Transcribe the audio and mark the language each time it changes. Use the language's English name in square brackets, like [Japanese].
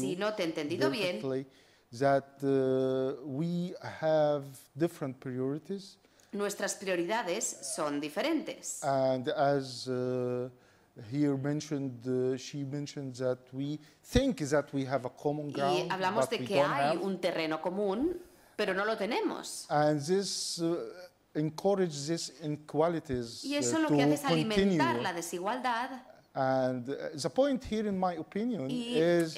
[Spanish] si no te he entendido bien, [English] that we have different priorities. [Spanish] Nuestras prioridades son diferentes. [English] And as here mentioned, she mentioned that we think that we have a common ground, [Spanish] y hablamos de que hay un terreno común, pero no lo tenemos. [English] And this encourages these inequalities [Spanish] y eso lo que hace es alimentar la desigualdad. [English] And the point here, in my opinion, is